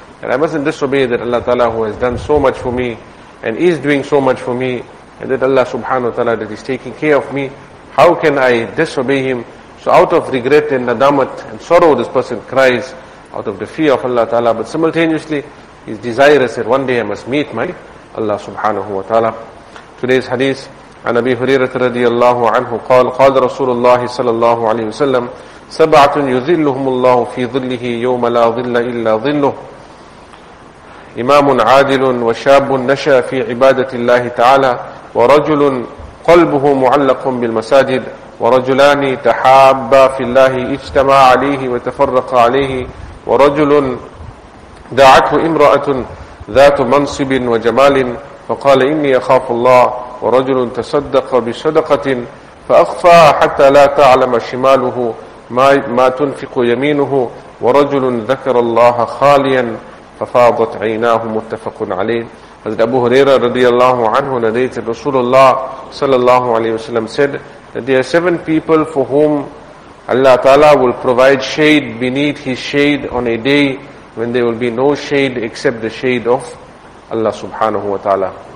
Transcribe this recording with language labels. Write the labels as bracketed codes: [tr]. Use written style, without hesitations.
[en] And I mustn't disobey that Allah ta'ala who has done so much for me, and is doing so much for me, and that Allah subhanahu wa ta'ala that is taking care of me, how can I disobey Him? So out of regret and nadamat and sorrow, this person cries out of the fear of Allah ta'ala, but simultaneously is desirous that one day I must meet my Allah subhanahu wa ta'ala. Today's hadith, [ar] عن أبي هريرة رضي الله عنه قال قال رسول الله صلى الله عليه وسلم سبعة يظلهم الله في ظله يوم لا ظل إلا ظله إمام عادل وشاب نشأ في عبادة الله تعالى ورجل قلبه معلق بالمساجد ورجلان تحابا في الله اجتمع عليه وتفرق عليه ورجل دعته امرأة ذات منصب وجمال فقال إني أخاف الله ورجل تصدق بصدقة فأخفى حتى لا تعلم شماله ما تنفق يمينه ورجل ذكر الله خاليا ففاضت عيناه متفق عليه. [en] حضرت أبو هريرة رضي الله عنه narrated رسول الله صلى الله عليه وسلم said that there are seven people for whom Allah Ta'ala will provide shade beneath His shade on a day when there will be no shade except the shade of Allah subhanahu wa ta'ala.